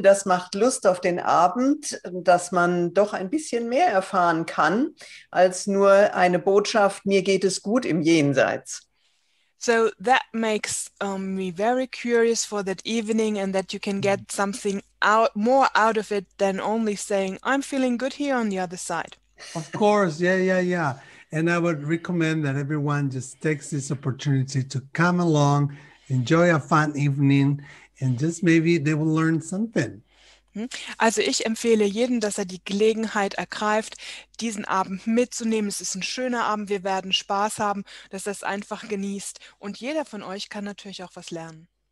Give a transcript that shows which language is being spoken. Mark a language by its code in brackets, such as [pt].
[de] Das macht Lust auf den Abend, dass man doch ein bisschen mehr erfahren kann, als nur eine Botschaft, mir geht es gut im Jenseits. [en] So that makes me very curious for that evening and that you can get something more out of it than only saying, I'm feeling good here on the other side. Of course, yeah. And I would recommend that everyone just takes this opportunity to come along, enjoy a fun evening, and just maybe they will learn something. [de] Also ich empfehle jedem, dass er die Gelegenheit ergreift, diesen Abend mitzunehmen. Es ist ein schöner Abend, wir werden Spaß haben, dass er es einfach genießt. Und jeder von euch kann natürlich auch was lernen.